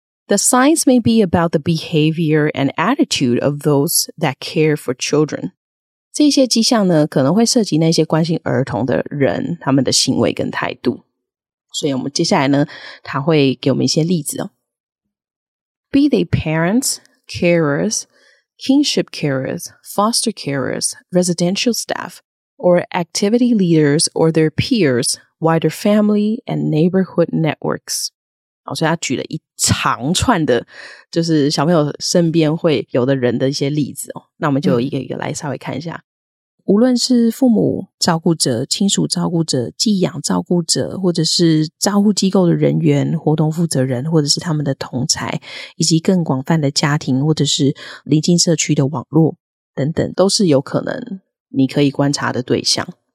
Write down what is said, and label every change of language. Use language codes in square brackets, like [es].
[en] The signs may be about the behavior and attitude of those that care for children. [zh] 这些迹象呢，可能会涉及那些关心儿童的人，他们的行为跟态度。所以我们接下来呢，他会给我们一些例子哦。 [en] Be they parents, carers, kinship carers, foster carers, residential staff, or activity leaders or their peers, wider family and neighborhood networks. [zh] 所以他举了一长串的就是小朋友身边会有的人的一些例子哦。那我们就一个一个来稍微看一下。无论是父母照顾者、亲属照顾者、寄养照顾者，或者是照顾机构的人员、活动负责人，或者是他们的同侪，以及更广泛的家庭或者是邻近社区的网络等等，都是有可能你可以观察的对象。